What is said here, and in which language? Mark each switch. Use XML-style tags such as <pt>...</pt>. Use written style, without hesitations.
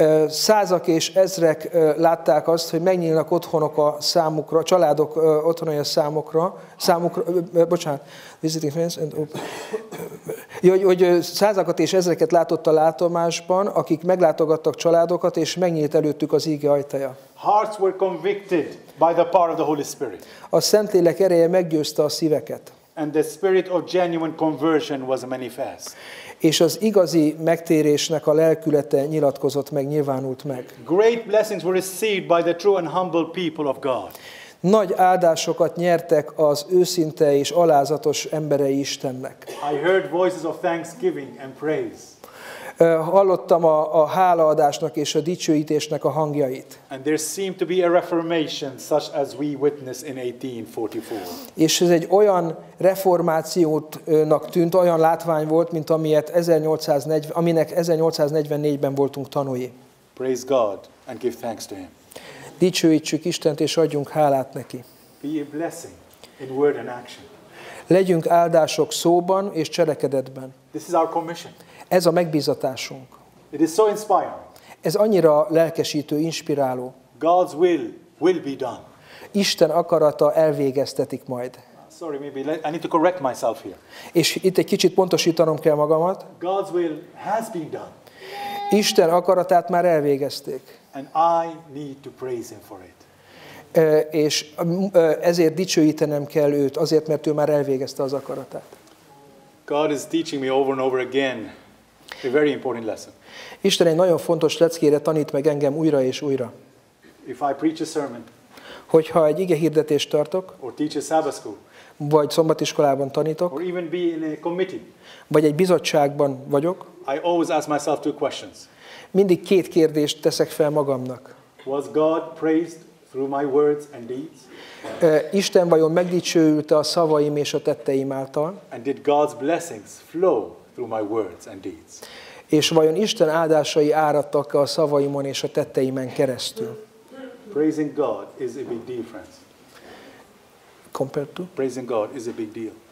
<hu>Százak és ezrek látták azt, hogy megnyílnak otthonok a számukra, a családok otthonai a számukra, bocsánat,</hu> <en>visiting friends,</en> <hu>and hogy százakat és ezreket látott a látomásban, akik meglátogattak családokat, és megnyílt előttük az íge ajtaja.</hu> <en>Hearts were convicted by the power of the Holy Spirit.</en> <hu>A Szentlélek ereje meggyőzte a szíveket.</hu> <en>And the spirit of genuine conversion was manifest.</en> <hu>És az igazi megtérésnek a lelkülete nyilatkozott meg, nyilvánult meg.</hu> <en>Great blessings were received by the true and humble people of God.</en> <hu>Nagy áldásokat nyertek az őszinte és alázatos emberei Istennek.</hu> <en>I heard voices of thanksgiving and praise.</en> <hu>Hallottam a hálaadásnak és a dicsőítésnek a hangjait.</hu> <en>And there seemed to be a reformation such as we witnessed in 1844.</en> <hu>És ez egy olyan reformációnak tűnt, olyan látvány volt, mint amilyet 1840, aminek 1844-ben voltunk tanúi.</hu> <en>Praise God and give thanks to him.</en> <hu>Dicsőítsük Istent és adjunk hálát neki.</hu> <en>Be a blessing in word and action.</en> <hu>Legyünk áldások szóban és cselekedetben.</hu> <en>This is our commission.</en> <hu>Ez a megbízatásunk.</hu> <en>It is so inspiring.</en> <hu>Ez annyira lelkesítő, inspiráló.</hu> <en>God's will be done.</en> <hu>Isten akarata elvégeztetik majd.</hu> <en>Sorry, maybe I need to correct myself here.</en> <hu>És itt egy kicsit pontosítanom kell magamat.</hu> <en>God's will has been done.</en> <hu>Isten akaratát már elvégezték.</hu> <en>And I need to praise him for it.</en> <hu>És ezért dicsőítenem kell őt, azért, mert ő már elvégezte az akaratát.</hu> <en>God is teaching me over and over again. A very important lesson.</en> <hu>Isten egy nagyon fontos leckére tanít meg engem újra és újra.</hu> <en>If I preach a sermon,</en> <hu>hogyha egy ige hirdetést tartok,</hu> <en>or teach a Sabbath school,</en> <hu>vagy szombatiskolában tanítok,</hu> <en>or even be in a committee,</en> <hu>vagy egy bizottságban vagyok,</hu> <en>I always ask myself two questions.</en> <hu>Mindig két kérdést teszek fel magamnak.</hu> <en>Was God praised through my words and deeds?</en> <hu>Isten vajon megdicsőült-e a szavaim és a tetteim által?</hu> <en>And did God's blessings flow through my words and deeds?</en> <hu>És vajon Isten áldásai áradtak a szavaimon és a tetteimen keresztül?</hu> <en>Praising God is a big deal, friends. Compared to? Praising God is a big deal.</en>